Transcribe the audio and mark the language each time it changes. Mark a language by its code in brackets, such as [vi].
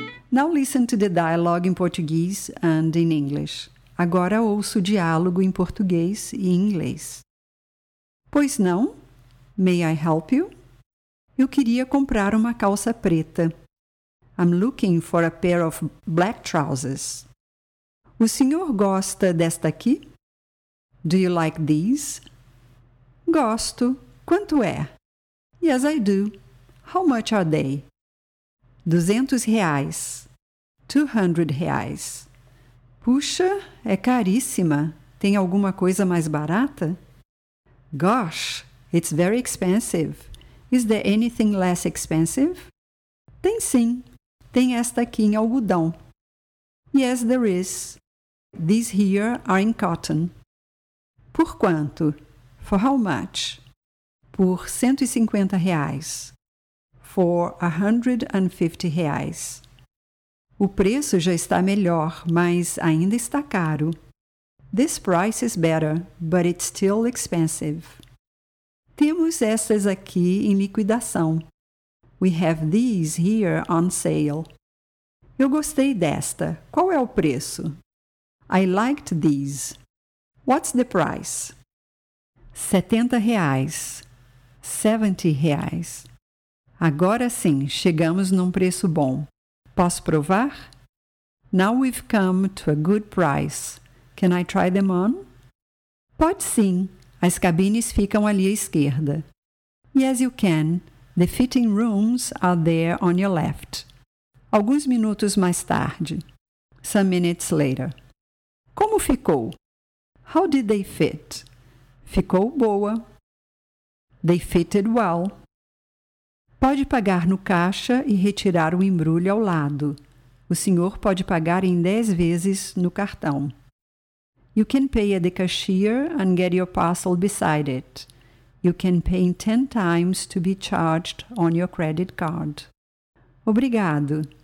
[en] Now listen to the dialogue in Portuguese and in English. [pt] Agora ouço o diálogo em português e inglês. Pois não? [en] May I help you? [pt] Eu queria comprar uma calça preta. [en] I'm looking for a pair of black trousers. [pt] O senhor gosta desta aqui? [en] Do you like these? [pt] Gosto. Quanto é? [en] Yes, I do. How much are they? [pt] R$200. R$200. Puxa, é caríssima. Tem alguma coisa mais barata? [en] Gosh, it's very expensive. Is there anything less expensive? [pt] Tem sim. Tem esta aqui em algodão. [en] Yes, there is. These here are in cotton. [pt] Por quanto? [en] For how much? [pt] Por R$150. [en] For R$150. [pt] O preço já está melhor, mas ainda está caro. [en] This price is better, but it's still expensive. [pt] Temos essas aqui em liquidação. [en] We have these here on sale. [pt] Eu gostei desta. Qual é o preço? [en] I liked these. What's the price? [pt] R$70. R$70. Agora sim, chegamos num preço bom. Posso provar? [en] Now we've come to a good price. Can I try them on? [pt] Pode sim. As cabines ficam ali à esquerda. [en] Yes, you can. The fitting rooms are there on your left. [pt] Alguns minutos mais tarde. [en] Some minutes later. [pt] Como ficou? [en] How did they fit? [pt] Ficou boa. [en] They fitted well. [pt] Pode pagar no caixa e retirar o embrulho ao lado. O senhor pode pagar em 10 vezes no cartão. [en] You can pay at the cashier and get your parcel beside it. You can pay in 10 times to be charged on your credit card. [pt] Obrigado.